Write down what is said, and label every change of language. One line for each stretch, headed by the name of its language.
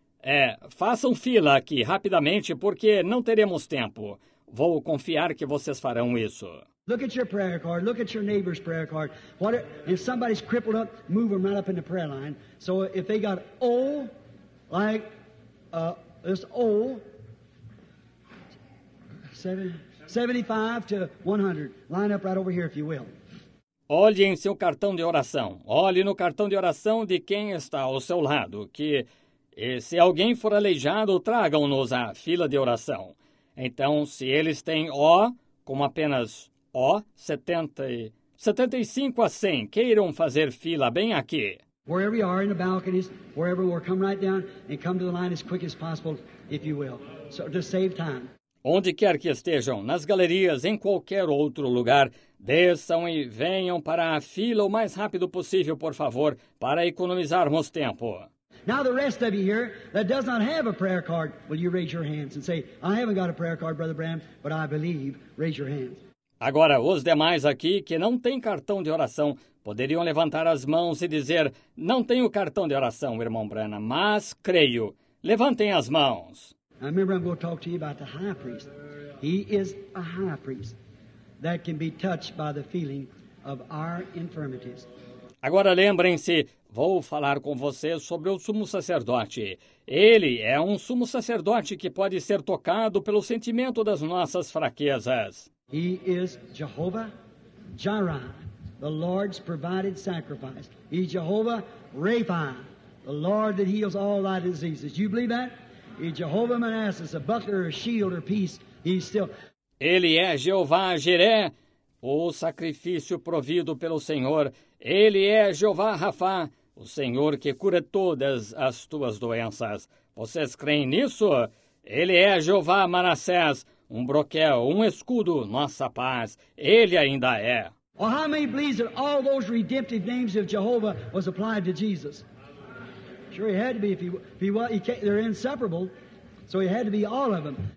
Portuguese: É, façam fila aqui rapidamente, porque não teremos tempo. Vou confiar que vocês farão isso.
English: Look at your prayer card. Look at your neighbor's prayer card. If somebody's crippled up, move them right up in the prayer line. So if they got O, like this O, 75 to 100. Line up right over here, if you will.
Portuguese: Olhe em seu cartão de oração. Olhe no cartão de oração de quem está ao seu lado. Que se alguém for aleijado, tragam-nos à fila de oração. Então, se eles têm O, como apenas O, 75 a 100, queiram fazer fila bem aqui.
English: Wherever you are in the balconies, wherever you are, come right down and come to the line as quick as possible, if you will. So to save time.
Portuguese: Onde quer que estejam, nas galerias, em qualquer outro lugar, desçam e venham para a fila o mais rápido possível, por favor, para economizarmos tempo.
English: Now the rest of you here that does not have a prayer card, will you raise your hands and say, I haven't got a prayer card, Brother Branham, but I believe, raise your hands.
Portuguese: Agora, os demais aqui que não têm cartão de oração, poderiam levantar as mãos e dizer, não tenho cartão de oração, irmão Branham, mas creio. Levantem as mãos.
English: I remember I'm going to talk to you about the high priest. He is a high priest that can be touched by the feeling of our infirmities.
Portuguese: Agora lembrem-se, vou falar com vocês sobre o sumo sacerdote. Ele é um sumo sacerdote que pode ser tocado pelo sentimento das nossas fraquezas.
English: He is Jehovah Jireh, the Lord's provided sacrifice. He's Jehovah Rapha, the Lord that heals all thy diseases. Do you believe that? E Jehovah Manassas, a buckler, a shield, or peace, he's still...
Portuguese: Ele é Jeová Jiré, o sacrifício provido pelo Senhor. Ele é Jeová Rafá, o Senhor que cura todas as tuas doenças. Vocês creem nisso? Ele é Jeová Manassés, um broquel, um escudo, nossa paz. Ele ainda é.
English: Well, how many believes that all those redemptive names of Jehovah was applied to Jesus? Sure, he had to be they're inseparable, so he had to be all of them.